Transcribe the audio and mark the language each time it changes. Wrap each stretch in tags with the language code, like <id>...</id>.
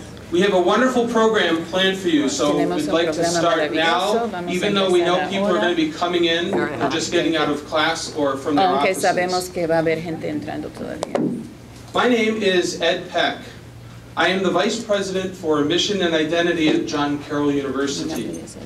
<en>We have a wonderful program planned for you, so we'd like to start now, even though we know people are going to be coming in or just getting out of class or from their offices.</en> <es>Aunque sabemos que va a haber gente entrando todavía.</es> <en>My name is Ed Peck. I am the Vice President for Mission and Identity at John Carroll University.</en>